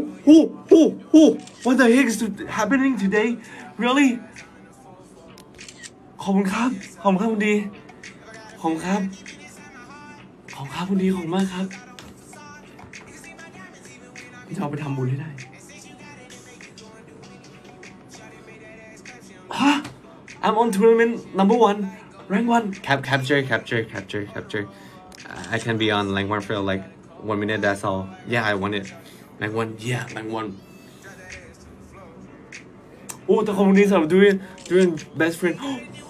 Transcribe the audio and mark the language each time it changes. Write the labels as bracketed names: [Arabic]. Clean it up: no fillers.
[English] What the heck is happening today? Really? [Thai] ขอบคุณครับคุณดีขอบคุณครับคุณดีขอบคุณมากครับพี่จะไปทำบุญให้ได้ [English] I'm on tournament number one, rank one. Capture. I can be on rank one for like 1 minute. That's all. Yeah, I want it. Rank one. Yeah, rank one. Oh, the community are doing best friend. Oh.